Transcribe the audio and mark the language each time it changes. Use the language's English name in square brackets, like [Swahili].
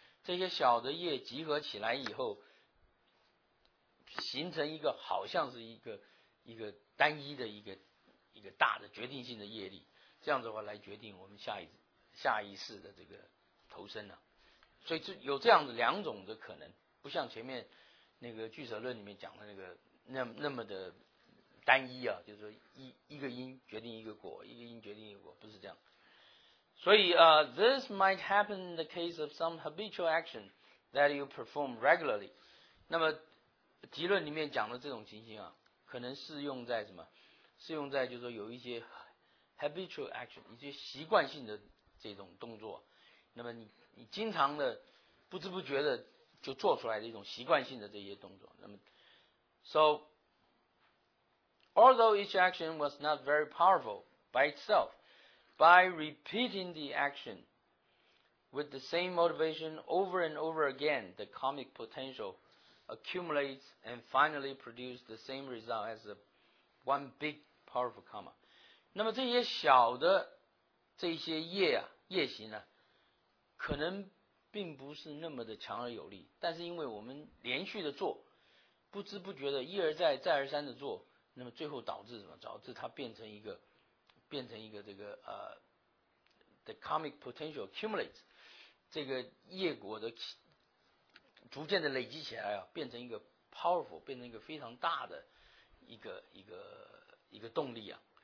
[Chinese] 这些小的业集合起来以后。形成一个好像是一个单一的一个大的决定性的业力，这样子的话来决定我们下一世的这个投生了、啊、所以这有这样子两种的可能，不像前面那个聚舍论里面讲的那个那么的单一啊，就是说一个因决定一个果，一个因决定一个果，不是这样。所以 [English] this might happen in the case of some habitual action that you perform regularly。 [Chinese] 那么极论里面讲的这种情形啊，可能适用在什么？适用在就是说有一些 [English] habitual action， [Chinese] 一些习惯性的这种动作，那么你经常的不知不觉的就做出来的一种习惯性的这些动作。那么 [English] ，so although each action was not very powerful by itself, by repeating the action, With the same motivation over and over again, the comic potential accumulates and finally produces the same result as one big powerful comma. [Chinese] 那么这些小的这些业啊业行呢、啊、可能并不是那么的强而有力，但是因为我们连续的做，不知不觉的一而再再而三的做，那么最后导致什么？导致它变成一个这个 [English] the comic potential accumulates， [Chinese] 这个业果的逐渐的累积起来啊，变成一个 [English] powerful， [Chinese] 变成一个非常大的一个动力啊。